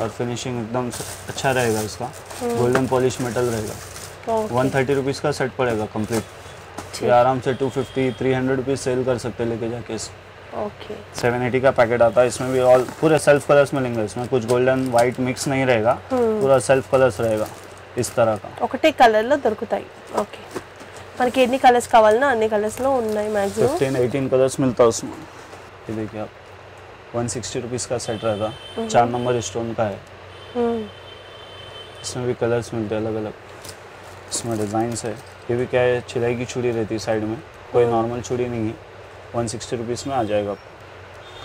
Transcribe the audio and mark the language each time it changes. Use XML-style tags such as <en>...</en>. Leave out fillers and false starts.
<hi>और फिनिशिंग एकदम अच्छा रहेगा इसका, गोल्डन पॉलिश मेटल रहेगा। 130 रुपीस का सेट पड़ेगा कम्प्लीट, ये आराम से 250-300 रुपीस सेल कर सकते लेके जाके। ओके 780 का पैकेट आता है, इसमें भी ऑल पूरे सेल्फ कलर्स मिलेंगे, इसमें कुछ गोल्डन व्हाइट मिक्स नहीं रहेगा, पूरा सेल्फ कलर्स रहेगा इस तरह का।</hi> <te>ఒకటి కలర్ లో దొరుకుతాయి। ओके మనకి ఎన్ని కలర్స్ కావాలన్నా అన్ని కలర్స్ లో ఉన్నాయి, మాక్సిమం</te> <hi>15-18 కలర్స్ మిల్తా ఉస్మాన్। ये देखिए आप 160 रुपीस का सेट रहेगा, चार नंबर स्टोन का है, इसमें भी कलर्स मिलते हैं अलग अलग, इसमें डिजाइन है। ये भी क्या है, चिराई की चूड़ी रहती है साइड में, कोई नॉर्मल चूड़ी नहीं है, 160 रुपीस में आ जाएगा आपको।</hi>